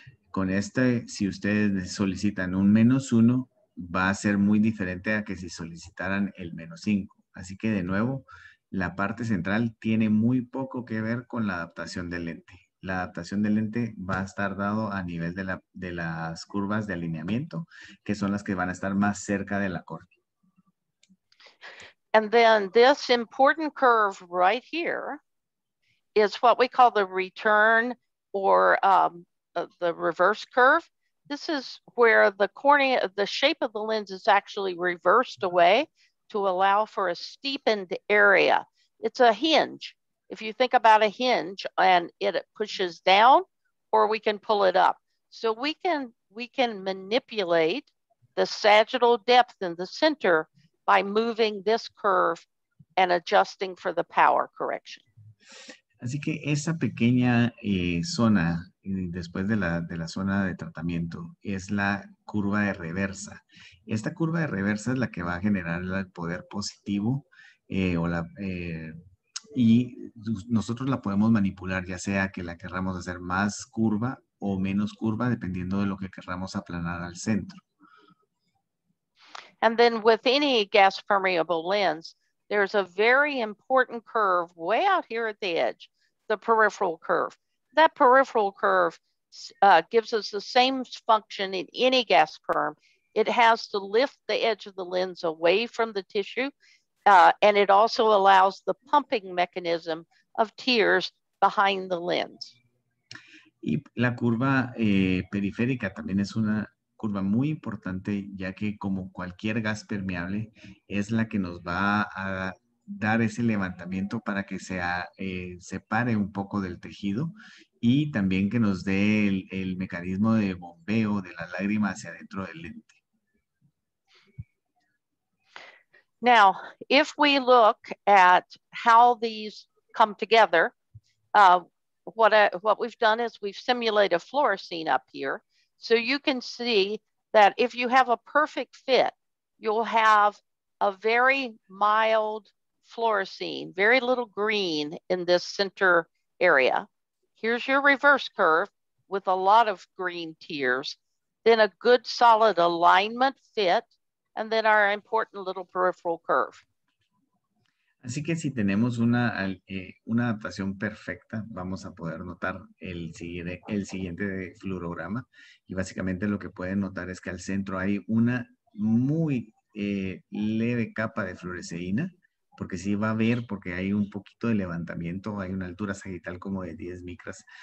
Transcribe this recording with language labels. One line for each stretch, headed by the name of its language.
Spanish: Con este, si ustedes solicitan un menos uno, va a ser muy diferente a que si solicitaran el menos cinco. Así que de nuevo, la parte central tiene muy poco que ver con la adaptación del lente. La adaptación del lente va a estar dado a nivel de las curvas de alineamiento, que son las que van a estar más cerca de la córnea.
English: And then this important curve right here is what we call the return or the reverse curve. This is where the cornea, the shape of the lens is actually reversed away to allow for a steepened area. It's a hinge. If you think about a hinge and it pushes down, or we can pull it up. So we can manipulate the sagittal depth in the center by moving this curve and adjusting for the power correction.
Spanish: Así que esa pequeña zona, después de la zona de tratamiento, es la curva de reversa. Esta curva de reversa es la que va a generar el poder positivo y nosotros la podemos manipular, ya sea que la querramos hacer más curva o menos curva, dependiendo de lo que querramos aplanar al centro.
English: And then with any gas permeable lens, there's a very important curve way out here at the edge, the peripheral curve. That peripheral curve gives us the same function in any gas perm. It has to lift the edge of the lens away from the tissue, and it also allows the pumping mechanism of tears behind the lens.
Spanish: Y la curva periférica también es una curva muy importante, ya que como cualquier gas permeable, es la que nos va a dar ese levantamiento para que se separe un poco del tejido y también que nos dé el mecanismo de bombeo de la lágrima hacia dentro del lente.
English: Now, if we look at how these come together, what we've done is we've simulated a fluorescein up here. So you can see that if you have a perfect fit, you'll have a very mild fluorescein, very little green in this center area. Here's your reverse curve with a lot of green tears, then a good solid alignment fit, and then our important little peripheral curve.
Spanish: Así que si tenemos una adaptación perfecta, vamos a poder notar el siguiente fluorograma. Y básicamente lo que pueden notar es que al centro hay una muy leve capa de fluoresceína, porque sí va a ver, porque hay un poquito de levantamiento, hay una altura sagital como de 10 micras.